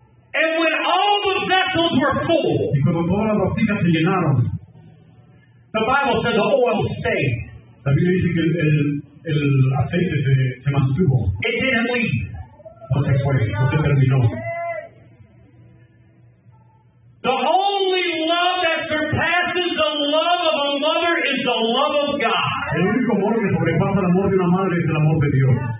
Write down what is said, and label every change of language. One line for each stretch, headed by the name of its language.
English: And when all the vessels were full,
Spanish: y cuando todas las vasijas se llenaron,
English: the Bible says the oil stayed.
Spanish: La Biblia dice que el aceite se mantuvo.
English: It didn't leave.
Spanish: No se fue, no se terminó.
English: The only love that surpasses the love of a mother is the love of God.
Spanish: El único amor que sobrepasa el amor de una madre es el amor de Dios.